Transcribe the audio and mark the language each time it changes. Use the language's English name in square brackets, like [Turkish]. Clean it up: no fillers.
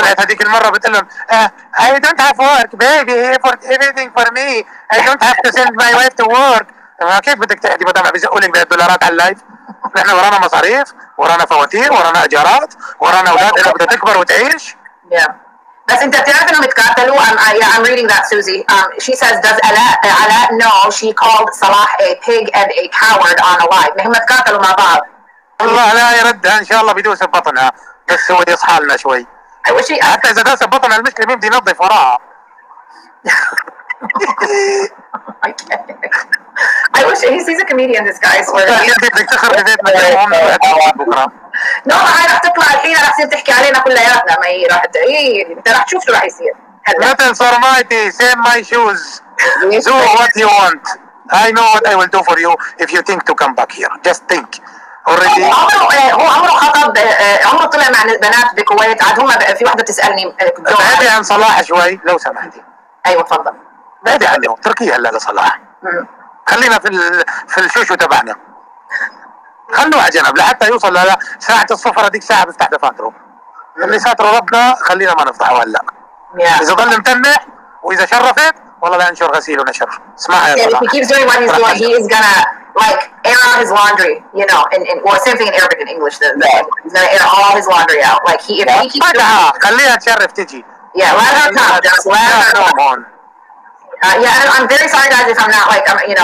[English] But that time, I don't have work, baby. For everything for me, I don't have to send my wife to work. [Arabic] كيف بدك تحدي مدام عم يزقوا لك بالدولارات على اللايف؟ نحن ورانا مصاريف، ورانا فواتير، ورانا ايجارات، ورانا اولاد اذا بدها تكبر وتعيش. بس انت بتعرف انهم اتقاتلوا؟ [English] I'm reading that, Suzy. She says, does Ala know she called Salah a pig and a coward on a live? [Arabic] هم اتقاتلوا مع بعض. الله لا يردها ان شاء الله بيدوس بطنها، بس هو يصحى لنا شوي. [English] I wish he... [Arabic] حتى اذا دوس بطنها المشكلة مين بدي ينظف وراها. [English] I wish he's a comedian, this guy. No, I have to put out here. I have to tell you all about us. May you see what will happen. Let me wear my shoes. Same my shoes. Do what you want. I know what I will do for you if you think to come back here. Just think. Already. [Arabic] عمره طلع مع بنات بالكويت. عاد هما في واحدة تسألني. أبي عن صلاح شوي لو سمحتي. أيوة تفضل. بعدي عنه تركيا هلا لصلاح. خلينا في الشوشو تبعنا. خلوا على جنب لحتى يوصل لها ساعة الصفر هذيك ساعة بفتح دفاتره. اللي ساتر ربنا خلينا ما نفتحه هلا. إذا ظل متنح وإذا شرفت والله بنشر غسيل ونشر. اسمعها يا صلاح. [English] Yeah, if he keeps doing what he's doing, he is gonna like air out his laundry, you know, in well, same thing in Arabic and English. He's gonna air all his laundry out. Like he, if he keeps [Arabic] doing. خليها تشرف تجي. [English] Yeah, let her come. Yeah, and I'm very sorry, guys, if I'm not, like, I'm, you know.